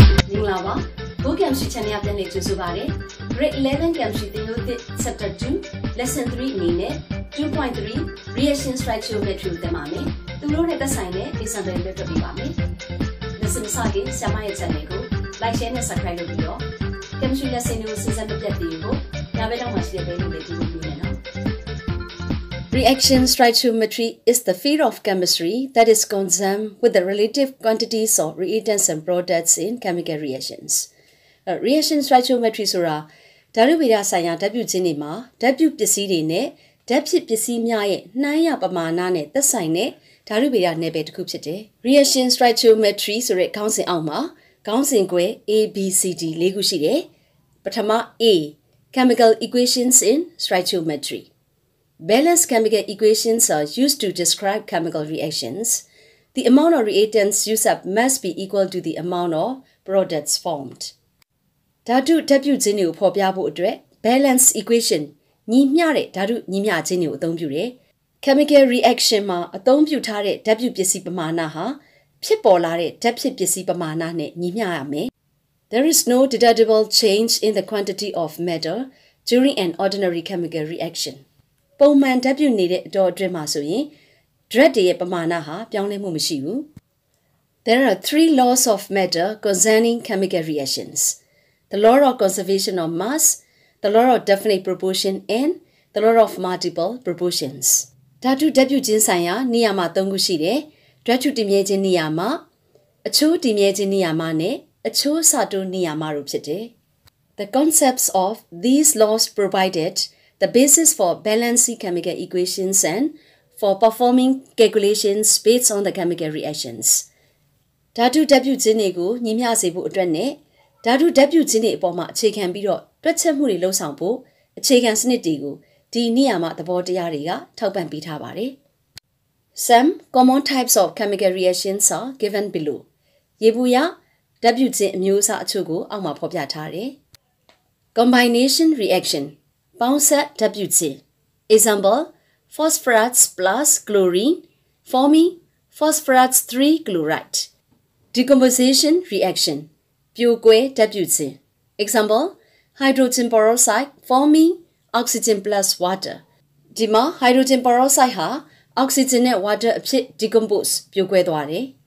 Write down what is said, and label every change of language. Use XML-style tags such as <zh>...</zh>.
<my>မင်္ဂလာပါ Go Chemistry Channel ရပြန်နေကြိုဆိုပါတယ် Grade 11 Chemistry သင်လို့သစ် Chapter 2 Lesson 3အနေနဲ့ 2.3 reaction stoichiometry တက်ပါမယ်သူတို့နဲ့သက်ဆိုင်တဲ့ example တွေတွေ့ပြပါမယ်ဆန်စာကြီးဆမ်မရဲ့ channel ကို like share နဲ့ subscribe လုပ်ပြီးတော့ chemistry lesson ကိုစဉ်းစားပြည့်တည်ဖို့ညာဘက်တော့မှရှိတဲ့ဘေးလို့လည်းကြည့်လို့ရနော်</my> <en>Reaction stoichiometry is the field of chemistry that is concerned with the relative quantities of reagents and products in chemical reactions.</en> <my>Reaction stoichiometry ဆိုတာဓာတုဗေဒဆိုင်ရာဓာတ်ပြုခြင်းတွေမှာဓာတ်ပြုပစ္စည်းတွေနဲ့ဓာတ်ဖြစ်ပစ္စည်းများရဲ့နှိုင်းရပမာဏနဲ့သက်ဆိုင်တဲ့ဓာတုဗေဒနယ်ပယ်တစ်ခုဖြစ်တယ် reaction stoichiometry ဆိုတဲ့ခေါင်းစဉ်အောက်မှာခေါင်းစဉ်ကွဲ A B C D လေးခုရှိတယ်ပထမ A chemical equations in stoichiometry</my> <en>balanced chemical equations are used to describe chemical reactions the amount of reagents used up must be equal to the amount of products formed</en> <my>ဓာတုဓာတ်ပြုခြင်းတွေကိုဖော်ပြဖို့အတွက် balanced equation ညီမျှတဲ့ဓာတုညီမျှခြင်းတွေကိုအသုံးပြုတယ် chemical reaction မှာအသုံးပြုထားတဲ့ဓာတ်ပြုပစ္စည်းပမာဏဟာဖြစ်ပေါ်လာတဲ့ဓာတ်ဖြစ်ပစ္စည်းပမာဏနဲ့ညီမျှရမယ်</my> <en>there is no detectable change in the quantity of matter during an ordinary chemical reaction</en> <my>ပုံမှန်ဓာတ်ပြုနေတဲ့အတော်အတွင်းမှာဆိုရင်ဓာတ်တွေရဲ့ပမာဏဟာပြောင်းလဲမှုမရှိဘူး</my> <en>there are three laws of matter concerning chemical reactions the law of conservation of mass the law of definite proportion and the law of multiple proportions</en> <my>ဓာတုဓာတ်ပြုခြင်းဆိုင်ရာနေရာမှာ၃ခုရှိတယ်။ဓာတ်ချုပ်တည်မြဲခြင်းနေရာမှာအချိုးတည်မြဲခြင်းနေရာမှာနဲ့အချိုးစတိုးနေရာမှာတို့ဖြစ်တယ်</my> <en>။ The concepts of these laws provided the basis for balancing chemical equations and for performing calculations based on the chemical reactions.</en> <my>ဓာတုဓာတ်ပြုခြင်းတွေကိုညီမျှစေဖို့အတွက်နဲ့ဓာတုဓာတ်ပြုခြင်းတွေအပေါ်မှာအခြေခံပြီးတော့တွက်ချက်မှုတွေလုပ်ဆောင်ဖို့အခြေခံစနစ်တွေကိုဒီနေရာမှာသဘောတရားတွေကထောက်ပံ့ပေးထားပါတယ်</my> <en>Some common types of chemical reactions are given below</en> <my>ရေဘူးရဓာတ်ပြုခြင်းအမျိုးအစားအချို့ကိုအောက်မှာဖော်ပြထားတယ်</my> <en>Combination reaction ပေါင်းစပ်ဓာတ်ပြုခြင်း Example phosphorus plus chlorine forming phosphorus 3 chloride Decomposition reaction ပြိုကွဲဓာတ်ပြုခြင်း Example hydrogen peroxide formingoxygen plus water ဒီမှာ hydrogen peroxide ဟာ oxygen နဲ့ water အဖြစ် decompose ပြိုကွဲသွားတယ်</en>